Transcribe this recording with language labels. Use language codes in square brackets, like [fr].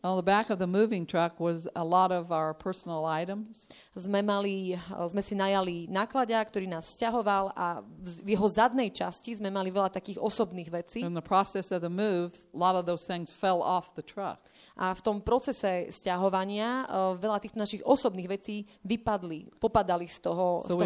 [en] On the back of the moving truck was a lot of our personal items. [sk] Sme si najali nákladiak, ktorý nás sťahoval a v jeho zadnej časti sme mali veľa takých osobných vecí. [en] In the process of the move, a lot of those things fell off the truck. [sk] A v tom procese sťahovania veľa týchto našich osobných vecí vypadli, popadali z toho